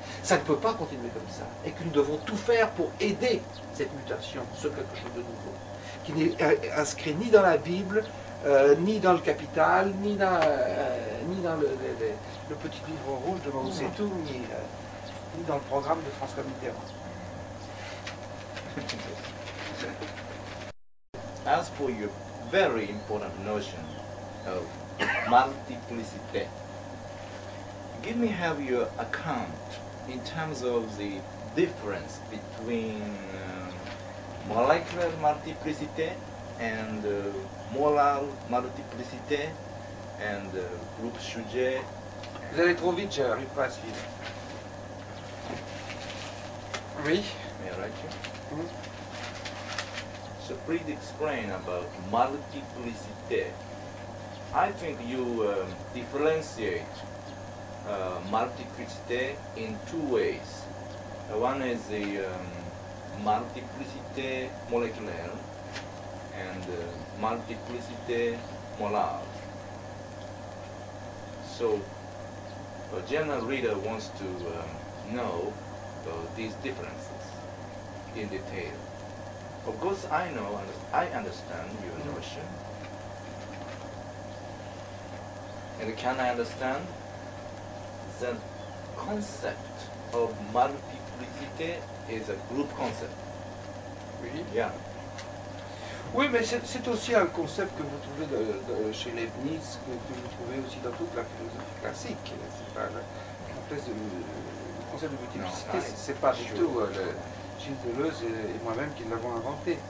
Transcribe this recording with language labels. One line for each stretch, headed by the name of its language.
French: Ça ne peut pas continuer comme ça, et que nous devons tout faire pour aider cette mutation, ce quelque chose de nouveau, qui n'est inscrit ni dans la Bible, ni dans le Capital, ni dans le petit livre rouge de Mao Tse-Tung, ni dans le programme de François Mitterrand.
English: As for your very important notion of multiplicity, give me have your account in terms of the difference between molecular multiplicity and molar multiplicity and group sujet.
French: Vous allez trop vite, j'arrive pas à suivre. Oui.
English: May I write you? So please explain about multiplicité. I think you differentiate multiplicité in two ways. One is the multiplicité moléculaire and multiplicité molar. So a general reader wants to know these differences in detail. Of course, I know and I understand your notion. And can I understand the concept of multiplicité is a group concept? Really? Yeah.
French: Oui, mais c'est aussi un concept que vous trouvez chez Leibniz, que vous trouvez aussi dans toute la philosophie classique. C'est pas le concept de multiplicité, c'est pas du tout Gilles Deleuze et moi-même qui l'avons inventé.